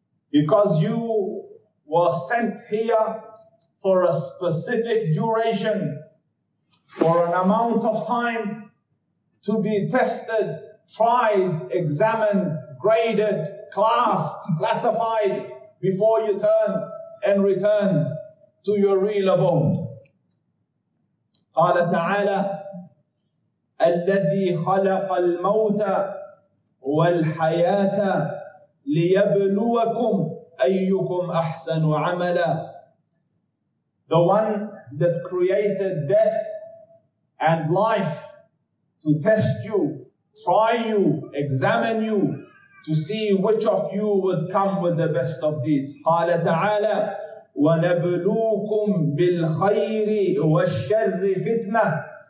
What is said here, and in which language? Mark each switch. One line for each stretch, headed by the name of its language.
English: Because you were sent here for a specific duration, for an amount of time, to be tested, tried, examined, graded, classed, classified before you turn and return to your real abode.
Arabic: قال تعالى الذي خلق الموت والحياة ليبلوكم أيكم أحسن عملا.
English: The one that created death and life to test you, try you, examine you, to see which of you would come with the best of deeds.
Arabic: قال تعالى وَنَبْلُوكُمْ بِالْخَيْرِ وَالشَّرِّ فِتْنَةً.